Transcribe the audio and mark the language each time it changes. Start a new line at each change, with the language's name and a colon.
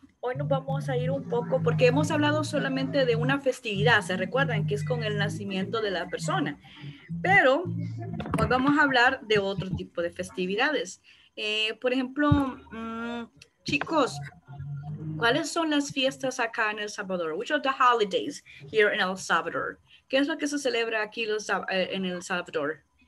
Spanish: hoy nos vamos a ir un poco, porque hemos hablado solamente de una festividad, ¿se recuerdan? Que es con el nacimiento de la persona. Pero hoy vamos a hablar de otro tipo de festividades. Por ejemplo, chicos, ¿cuáles son las fiestas acá en El Salvador?
English: Which are the holidays here in El Salvador?
Spanish: ¿Qué es lo que se celebra aquí en El Salvador?